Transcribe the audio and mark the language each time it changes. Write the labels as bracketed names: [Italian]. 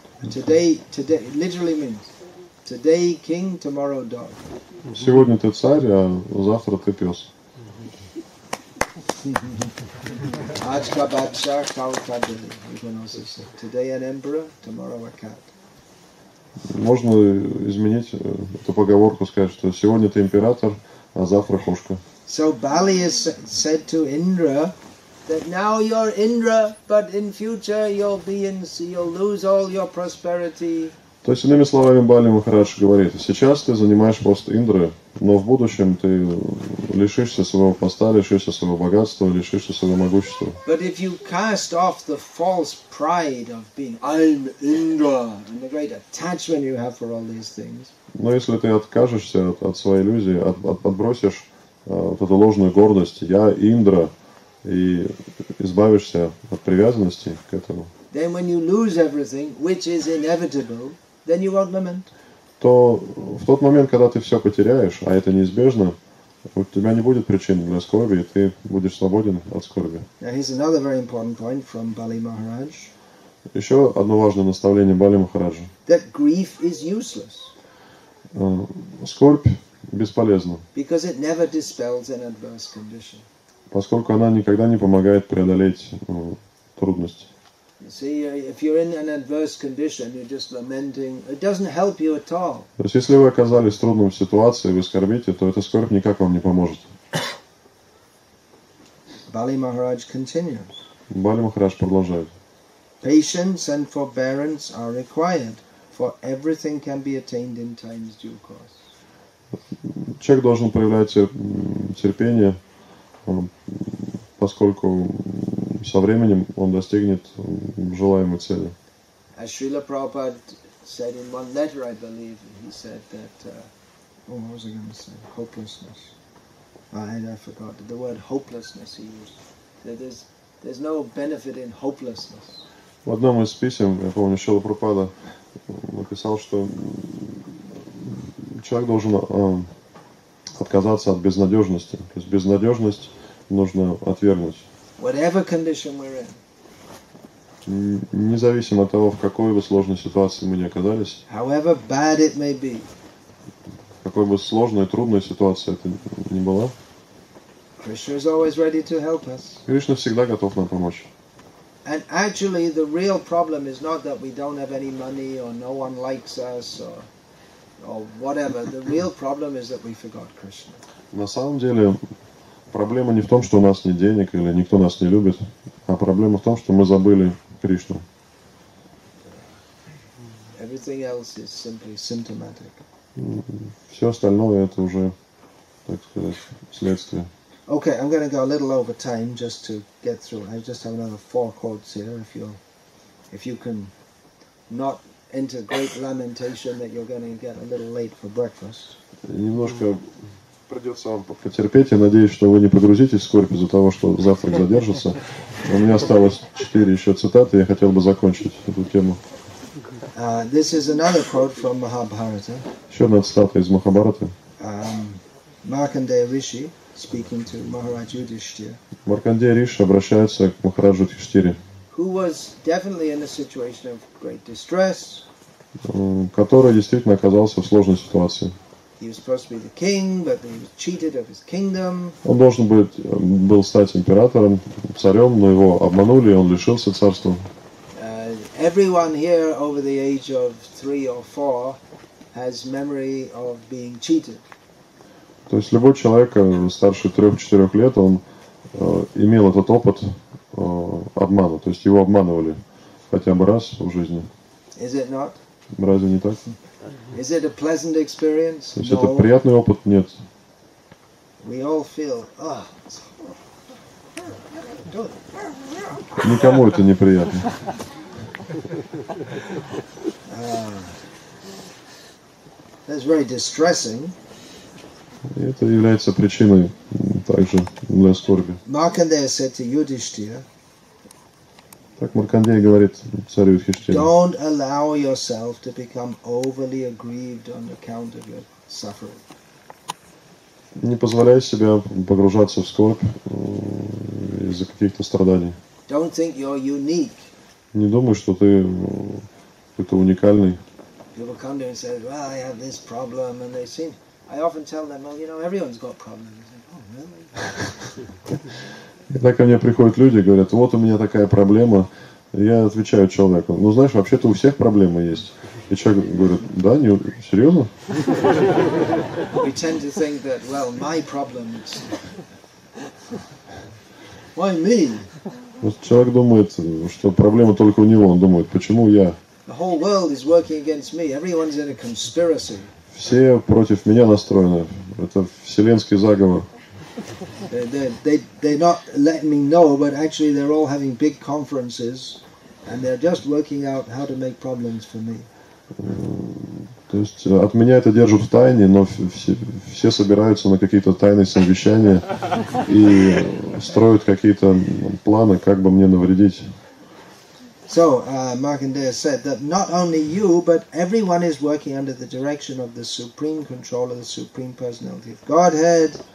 [English] Today literally means today king, tomorrow dog. [Russian] Сегодня ты царь, а завтра ты пес. Ajka Badsha Kalka Dili. [English] You can also say today an emperor, tomorrow a cat. [Russian] Можно изменить эту поговорку, сказать, что сегодня ты император, а завтра кошка. [English] So Bali is said to Indra that now you're Indra, but in future you'll lose all your prosperity. [Russian] То есть, иными словами, Бали Махарадж говорит, сейчас ты занимаешь пост Индры, но в будущем ты лишишься своего поста, лишишься своего богатства, лишишься своего могущества. [English] But if you cast off the false pride of being I'm Indra and the great attachment you have for all these things. [Russian] Но если ты откажешься от своей иллюзии, отбросишь эту ложную гордость, я Индра, и избавишься от привязанности к этому. [English] Then when you lose everything, which is inevitable, then you won't lament. [Russian] То в тот момент, когда ты все потеряешь, а это неизбежно, у тебя не будет причин для скорби, и ты будешь свободен от скорби. [English] Now here's another very important point from Bali Maharaj. [Russian] Еще одно важное наставление Бали Махараджа. [English] That grief is useless. [Russian] Скорбь бесполезна. [English] Because it never dispels an adverse condition. [Russian] Поскольку она никогда не помогает преодолеть трудности. [English] See, if you're in an adverse condition, you're just lamenting. It doesn't help you at all. [Russian] То есть, если вы оказались в трудной ситуации, вы скорбите, то эта скорбь никак вам не поможет. [English] Bali Maharaj continues. [Russian] Bali Maharaj продолжает. [English] Patience and forbearance are required, for everything can be attained in time's due course. [Russian] Человек должен проявлять терпение, поскольку со временем он достигнет желаемой цели. [English] As Srila Prabhupada said in one letter, I believe, he said that, what was I going to say? Hopelessness. I forgot the word hopelessness he used. There's no benefit in hopelessness. [Russian] В одном из писем, я помню, Шрила Прабхупада написал, что человек должен отказаться от безнадежности. То есть безнадежность нужно отвергнуть. [English] Whatever condition we're in. [Russian] Независимо от того, в какой бы сложной ситуации мы ни оказались. [English] However bad it may be. [Russian] Какой бы сложной, трудной ситуация это ни была. [English] Krishna is always ready to help us. [Russian] Кришна всегда готов нам помочь. [English] And actually the real problem is not that we don't have any money or no one likes us or whatever. The real problem is that we forgot Krishna. [Russian] На самом деле проблема не в том, что у нас нет денег или никто нас не любит, а проблема в том, что мы забыли Кришну. [English] Everything else is simply symptomatic. [Russian] Все остальное это уже, так сказать, следствие. [English] Okay, I'm going to go a little over time just to get through. I just have another four quotes here. If you can not enter great lamentation that you're going to get a little late for breakfast. [Russian] Немножко придется вам потерпеть. Я надеюсь, что вы не погрузитесь в скорбь из-за того, что завтрак задержится. У меня осталось 4 еще цитаты, я хотел бы закончить эту тему. [English] This is another quote from Mahabharata. [Russian] Еще одна цитата из Махабхараты. [English] Markandeya Rishi speaking to Maharaj Yudhishthira. [Russian] Маркандея Риши обращается к Махараджу Юдхиштхире. [English] Who was definitely in a situation of great distress. [Russian] Который действительно оказался в сложной ситуации. [English] He was supposed to be the king, but he was cheated of his kingdom. [Russian] Он должен был стать императором, царем, но его обманули, и он лишился царства. [English] Everyone here over the age of 3 or 4 has memory of being cheated. [Russian] То есть любой человек старше 3-4 лет, он имел этот опыт обмана, то есть его обманывали хотя бы раз в жизни. [English] Is it not? [Russian] Разве не так? [English] Is it a pleasant experience? [Russian] То есть это приятный опыт? Нет. [English] We all feel, [Russian] Никому это неприятно. [English] That's very distressing. [Russian] И это является причиной также для скорби. [English] Markandeya said to Yudhishthira. [Russian] Так Маркандея говорит царю Юдхиштхире. [English] Don't allow yourself to become overly aggrieved on account of your suffering. [Russian] Не позволяй себе погружаться в скорбь из-за каких-то страданий. [English] Don't think you're unique. [Russian] Не думай, что ты какой-то уникальный. [English] People come to me and say, well, I have this problem, and they seem. I often tell them, well, you know, everyone's got problems. Like, oh, really? [Russian] Когда ко мне приходят люди, говорят, вот у меня такая проблема, я отвечаю человеку, ну знаешь, вообще-то у всех проблемы есть. И человек говорит, да, не, серьезно? [English] We tend to think that, well, my problems. Why me? [Russian] Вот человек думает, что проблема только у него. Он думает, почему я? [English] The whole world is working against me. Everyone's in a conspiracy. [Russian] Все против меня настроены. Это вселенский заговор. [English] They're not letting me know, but actually they're all having big conferences, and they're just working out how to make problems for me. [Russian] То есть от меня это держат в тайне, но все собираются на какие-то тайные совещания и строят какие-то планы, как бы мне навредить. [English] So, Markandeya said that not only you, but everyone is working under the direction of the Supreme Controller, the Supreme Personality of Godhead.